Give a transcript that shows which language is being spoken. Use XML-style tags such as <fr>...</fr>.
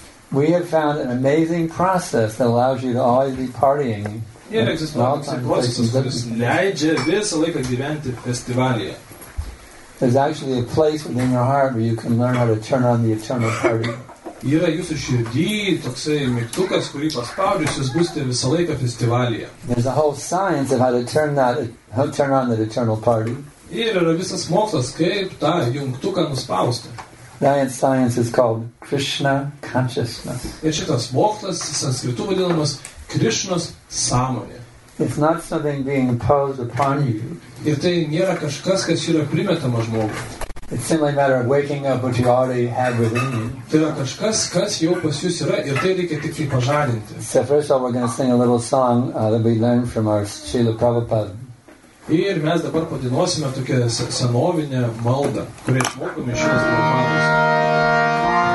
<en>We have found an amazing process that allows you to always be partying.</en> <lt>Ir egzistuoja procesas, kuris leidžia visą laiką gyventi festivalyje.</lt> <en>There's actually a place within your heart where you can learn how to turn on the eternal party.</en> <lt>Yra jūsų širdy toksai mygtukas, kurį paspaudžius, jūs būsite visą laiką festivalyje.</lt> <en>There's a whole science of how to turn on the eternal party.</en> <lt>Ir yra visas mokslas, kaip tą jungtuką nuspausti.</lt> <en>That science is called Krishna consciousness.</en> <lt>Ir šitas mokslas sanskritu vadinamas Krishnos sąmonė.</lt> <en>It's not something being imposed upon you.</en> <lt>Ir tai nėra kažkas, kas yra primetama žmogui.</lt> <en>It's simply a matter of waking up what you already have within you.</en> <lt>Tai yra kažkas, kas jau pas jūs yra, ir tai reikia tik pažadinti.</lt> <en>So first of all, we're going to sing a little song that we learned from our Srila Prabhupada.</en> <lt>Ir mes dabar padinosime tokią senovinę maldą, kurią išmokome iš jūsų Prabhupados.</lt>